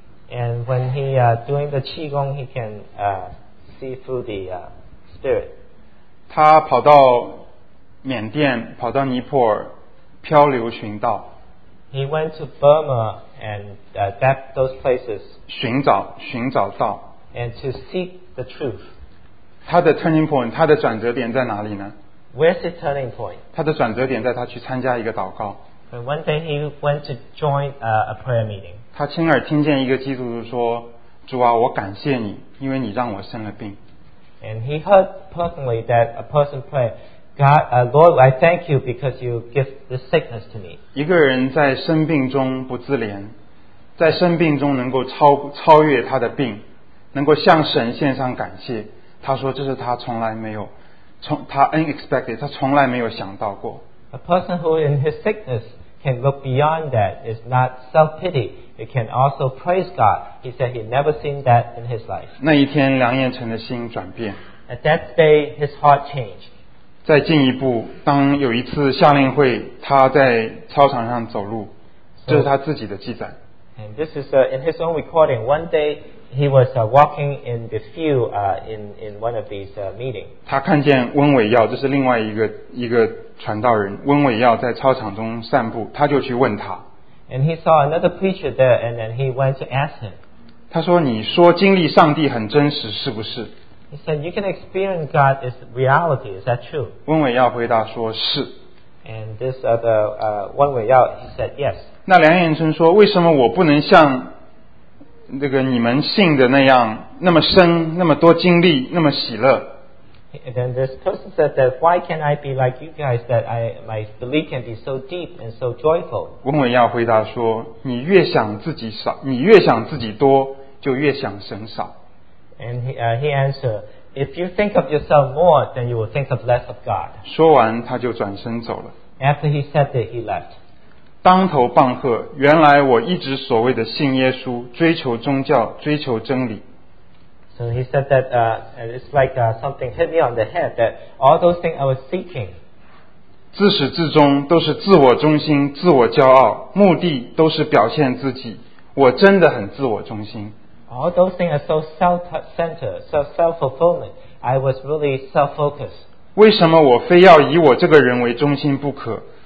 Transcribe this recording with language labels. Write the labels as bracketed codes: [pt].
[en] And when he doing the qi gong, he can see through the spirit. [zh] 他跑到缅甸, 跑到尼泊尔, 漂流寻道。 [en] He went to Burma and those places. [zh] 寻找道。 [en] And to seek the truth. [zh] 他的 [en] turning point, [zh] 他的转折点在哪里呢? [en] Where's the turning point? [zh] 他的转折点在他去参加一个祷告。 [en] And one day he went to join a prayer meeting. [zh] 他亲耳听见一个基督徒说, 主啊, 我感谢你, 因为你让我生了病。 [en] And he heard personally that a person prayed, God, Lord, I thank you because you give this sickness to me. [zh] 一个人在生病中不自怜, 在生病中能够超越他的病, 能够向神献上感谢, 他说这是他从来没有,他 [en] unexpected, [zh] 他从来没有想到过。 [en] A person who in his sickness can look beyond that is not self-pity. He can also praise God. He said he never seen that in his life. [zh] 那一天梁彦成的心转变。 [en] At that day, his heart changed. [zh] 再进一步, 当有一次夏令会, 他在操场上走路, 这是他自己的记载。 [en] And this is in his own recording. One day, he was walking in the field in one of these meetings. [zh] 他看见温伟耀, 这是另外一个传道人, 温伟耀在操场中散步, 他就去问他。 [en] And he saw another preacher there, and then he went to ask him. [zh] 他说, 你说经历上帝很真实, 是不是? [en] He said, you can experience God is reality, is that true? [zh] 温伟耀回答说, 是。 [en] And this other, 温伟耀, he said, yes. [zh] 那梁彦成说, 为什么我不能像 那个你们信的那样, 那么深, 那么多经历, 那么喜乐。 [en] And then this person said that, why can't I be like you guys, that my belief can be so deep and so joyful? [zh] 温伟耀回答说, 你越想自己少, 你越想自己多, 就越想神少。 [en] And he answered, if you think of yourself more, then you will think of less of God. [zh] 说完他就转身走了。 [en] After he said that, he left. [zh] 当头棒喝, 原来我一直所谓的信耶稣, 追求宗教, 追求真理。 [en] So he said that it's like something hit me on the head, that all those things I was seeking. [zh] 自始至终都是自我中心, 自我骄傲, 目的都是表现自己, 我真的很自我中心。 [en] All those things are so self-centered, so self-fulfillment. I was really self-focused. [zh] 为什么我非要以我这个人为中心不可?